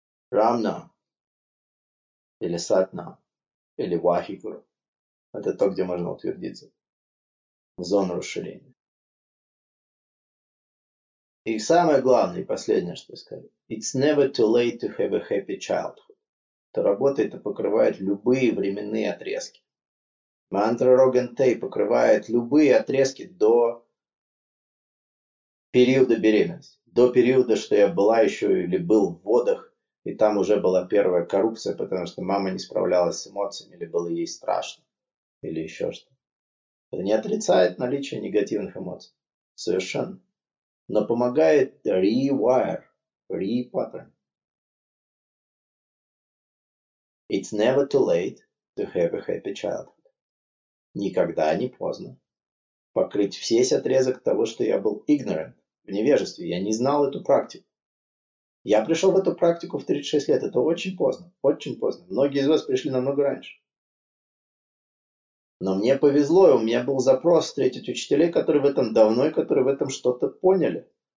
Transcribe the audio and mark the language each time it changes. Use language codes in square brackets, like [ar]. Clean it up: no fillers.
[ru] Рамна, или Сатна, или Вахигуру. Это то, где можно утвердиться. В зону расширения. И самое главное, и последнее, что я скажу. [en] It's never too late to have a happy childhood. [ru] Это работает и покрывает любые временные отрезки. Мантра Роган Тей покрывает любые отрезки до периода беременности. До периода, что я была еще или был в водах, и там уже была первая коррупция, потому что мама не справлялась с эмоциями, или было ей страшно, или еще что. Это не отрицает наличие негативных эмоций. Совершенно. Но помогает [en] rewire, re-pattern. It's never too late to have a happy childhood. [ru] Никогда не поздно покрыть весь отрезок того, что я был [en] ignorant, [ru] в невежестве. Я не знал эту практику. Я пришел в эту практику в 36 лет. Это очень поздно, очень поздно. Многие из вас пришли намного раньше. Но мне повезло, и у меня был запрос встретить учителей, которые в этом давно и которые в этом что-то поняли.